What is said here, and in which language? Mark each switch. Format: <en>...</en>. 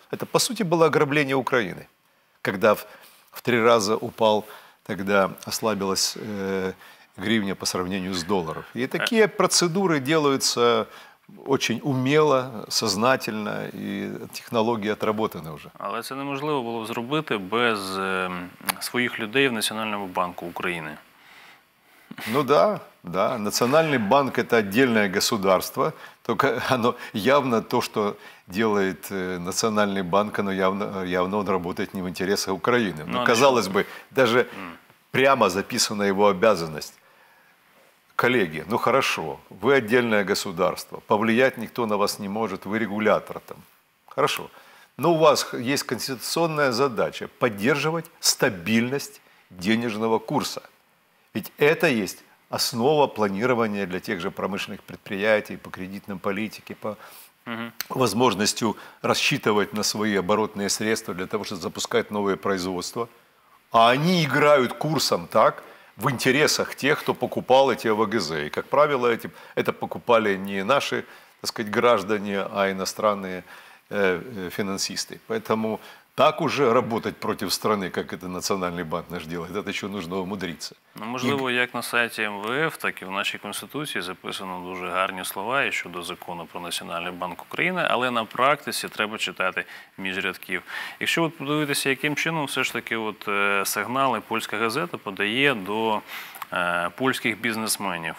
<ru>Это, по сути, было ограбление Украины, когда в три раза упал, тогда ослабилась гривня по сравнению с долларом. И такие процедуры делаются очень умело, сознательно, и технологии отработаны уже.</ru> <uk>Але це неможливо було зробити без своїх людей в Національному банку України.</uk> <ru>Ну да, да. Национальный банк – это отдельное государство, только оно явно то, что делает Национальный банк, оно явно он работает не в интересах Украины. Но казалось бы, даже прямо записана его обязанность. Коллеги, ну хорошо, вы отдельное государство, повлиять никто на вас не может, вы регулятор там. Хорошо. Но у вас есть конституционная задача – поддерживать стабильность денежного курса. Ведь это есть основа планирования для тех же промышленных предприятий по кредитной политике, по возможности рассчитывать на свои оборотные средства для того, чтобы запускать новые производства. А они играют курсом так в интересах тех, кто покупал эти ОВГЗ. И, как правило, это покупали не наши, так сказать, граждане, а иностранные финансисты. Поэтому так уже работать против страны, как это Национальный банк наш делает, это еще нужно умудриться.</ru> <uk>Ну, можливо, як на сайті МВФ, так і в нашій Конституції записано дуже гарні слова і щодо закону про Національний банк України, але на практиці треба читати між рядків. Якщо от подивитися, яким чином все ж таки от сигнали польська газета подає до польських бізнесменів.</uk>